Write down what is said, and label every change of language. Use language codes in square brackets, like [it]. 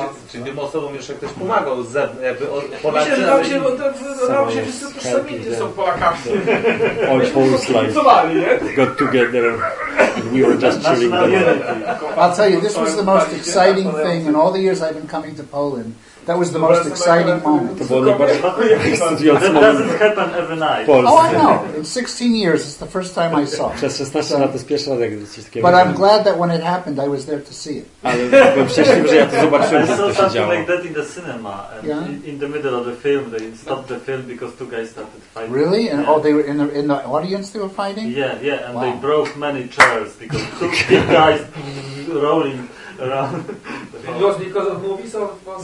[pl] Czyli tym osobom jeszcze ktoś pomagał z zewnątrz? Myślę, że tam się wszyscy sami są Polakami. Oni pracowali, nie? [en] Got together and we were just chilling. I'll tell you, this was the most exciting thing in all the years I've been coming to Poland. That was the most exciting moment. [pl] To było najbardziej ekscytujący moment. [en] Oh, I know. In 16 years, it's the first time I saw. [pl] Przez 16 lat to pierwszy raz, jak coś takiego widziałem. [en] But I'm glad that when it happened, I was there to see it. [pl] Ale byłem szczęśliwy, że ja to zobaczyłem, że to się działo. [en] Like that in the cinema, in the middle of the film, they stopped the film because two guys started fighting. Really? And oh, they were in the audience, they were fighting? Yeah, and they broke many chairs because two guys rolling around. It was because of movies or was